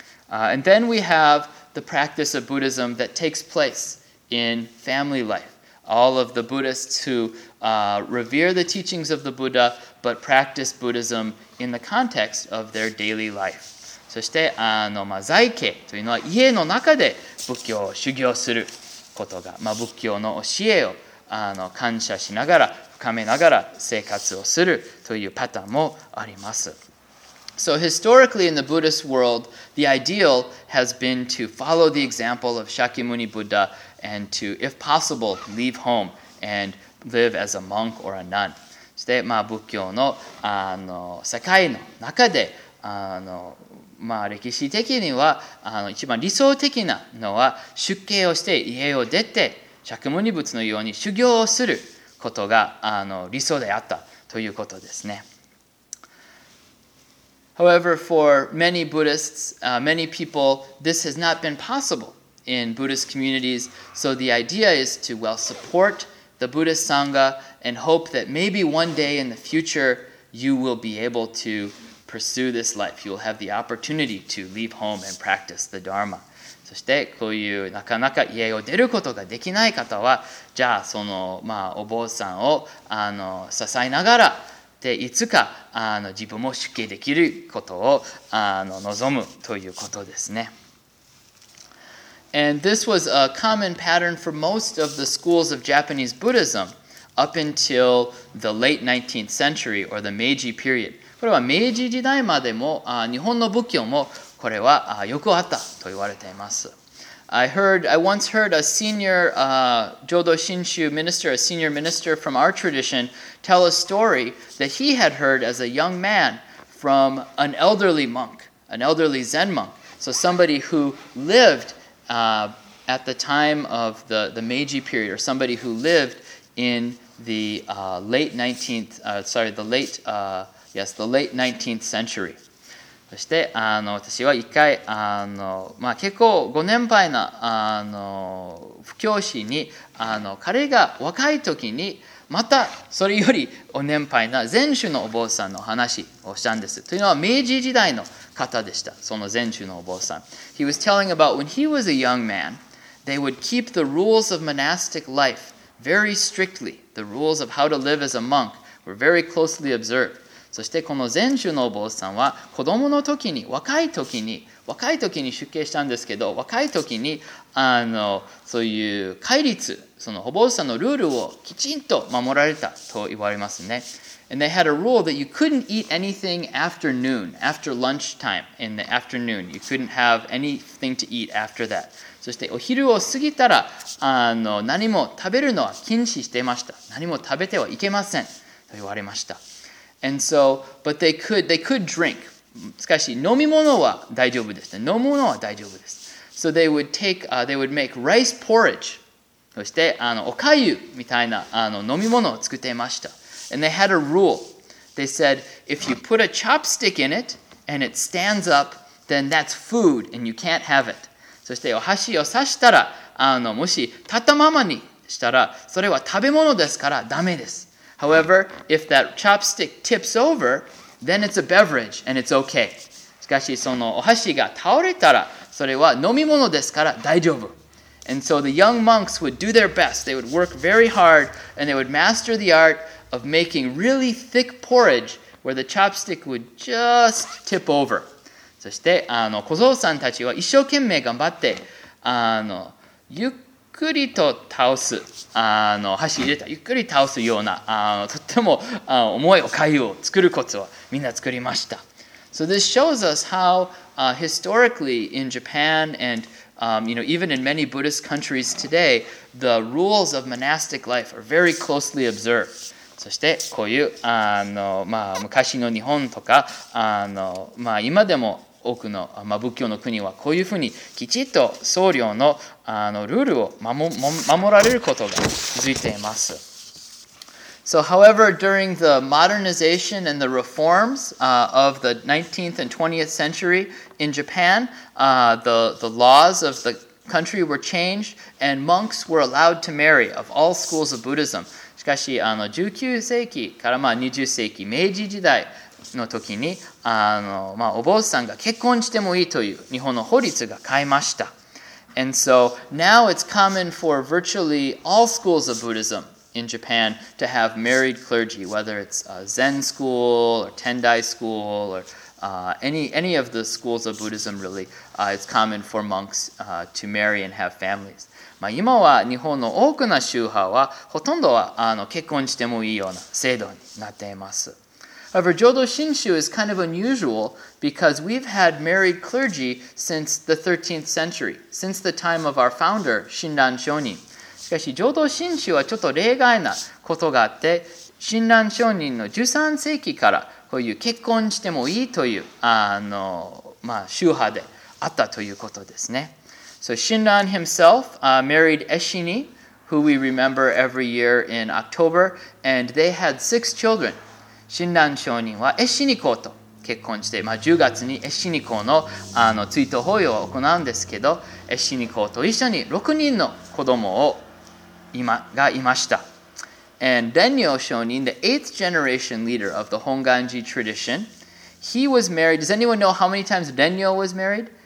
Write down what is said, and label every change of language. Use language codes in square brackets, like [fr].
[en] And then we have the practice of Buddhism that takes place in family life. All of the Buddhists who revere the teachings of the Buddha but practice Buddhism in the context of their daily life. [ja] そしてあの、まあ、在家というのは家の中で仏教を修行することが、まあ、仏教の教えをあの感謝しながら深めながら生活をするというパターンもあります。 [en] So historically in the Buddhist world, the ideal has been to follow the example of Shakyamuni Buddha and to, if possible, leave home and live as a monk or a nun. [ja] そして、まあ、仏教の、あの、世界の中で、あの、まあ、歴史的には、あの、一番理想的なのは出家をして家を出て、シャキムニ仏のように修行をすることが、あの、理想であったということですね。 [en] However, for many Buddhists, many people, this has not been possible in Buddhist communities. So the idea is to, well, support the Buddhist Sangha and hope that maybe one day in the future, you will be able to pursue this life. You will have the opportunity to leave home and practice the Dharma. [ja] そしてこういうなかなか家を出ることができない方は、じゃあその、まあ、お坊さんをあの支えながら、でいつかあの自分も出家できることをあの望むということですね。 [en] And this was a common pattern for most of the schools of Japanese Buddhism up until the late 19th century or the Meiji period. [ja] これは明治時代までも日本の仏教もこれはよくあったと言われています。 [en] I once heard a senior Jodo Shinshu minister, a senior minister from our tradition, tell a story that he had heard as a young man from an elderly monk, an elderly Zen monk. So somebody who lived at the time of the Meiji period, or somebody who lived in the late 19th century. [ja] そしてあの私は一回あの、まあ、結構ご年配なあの布教師にあの彼が若い時にまたそれよりお年配な禅宗のお坊さんの話をしたんですというのは明治時代の方でしたその禅宗のお坊さん [en] He was telling about when he was a young man they would keep the rules of monastic life very strictly the rules of how to live as a monk were very closely observed [ja] そしてこの禅宗のお坊さんは子供の時に若い時に出家したんですけど若い時にあのそういう戒律そのお坊さんのルールをきちんと守られたと言われますね [en] And they had a rule that you couldn't eat anything after noon after lunchtime in the afternoon you couldn't have anything to eat after that [ja] そしてお昼を過ぎたらあの何も食べるのは禁止していました何も食べてはいけませんと言われました [en] And so, but they could drink. [ja] しかし、飲み物は大丈夫です。飲むのは大丈夫です。 [en] So they would make rice porridge. [ja] そして、あの、おかゆみたいな、あの、飲み物を作っていました。 [en] And they had a rule. They said, if you put a chopstick in it, and it stands up, then that's food, and you can't have it. [ja] そして、お箸を刺したら、あの、もし立ったままにしたら、それは食べ物ですから、ダメです。 [en] However, if that chopstick tips over, then it's a beverage and it's okay. [ja] しかしそのお箸が倒れたらそれは飲み物ですから大丈夫。 [en] And so the young monks would do their best. They would work very hard and they would master the art of making really thick porridge where the chopstick would just tip over. [ja] そしてあの小僧さんたちは一生懸命頑張ってあのゆっくりと倒すあの箸入れたゆっくり倒すようなあのとってもあの重いおかゆを作るコツをみんな作りました。 [en] So this shows us how historically in Japan and even in many Buddhist countries today, the rules of monastic life are very closely observed. [ja] そしてこういうあの、まあ、昔の日本とかあの、まあ、今でも多くの、まあ、仏教の国はこういうふうにきちっと僧侶 の, あのルールを 守られることが続いています。 [en] So, however, during the modernization and the reforms of the 19th and 20th century in Japan, the laws of the country were changed and monks were allowed to marry of all schools of Buddhism. [ja] しかし、あの19世紀から、まあ、20世紀、明治時代の時にあの、まあ、お坊さんが結婚してもいいという日本の法律が変えました。 [en] And so now it's common for virtually all schools of Buddhism. In Japan, to have married clergy, whether it's a Zen school or Tendai school or any of the schools of Buddhism, really, it's common for monks to marry and have families. [ja] まあ今は日本の多くの宗派はほとんどはあの結婚してもいいような制度になっています。 [en] However, Jodo Shinshu is kind of unusual because we've had married clergy since the 13th century, since the time of our founder, Shinran Shonin. [ja] しかし浄土真宗はちょっと例外なことがあって親鸞聖人の13世紀からこういう結婚してもいいというあの、まあ、宗派であったということですね。 [en] So 親鸞 himself married Eshini, who we remember every year in October, and they had six children. [ja] 親鸞聖人はエシニ公と結婚して、まあ、10月にエシニ公 の追悼法要を行うんですけど、エシニ公と一緒に6人の子供を今がいました。 [en] And Denyo Shonin, the eighth generation leader of the Honganji tradition, he was married. Does anyone know how many times Denyo was married?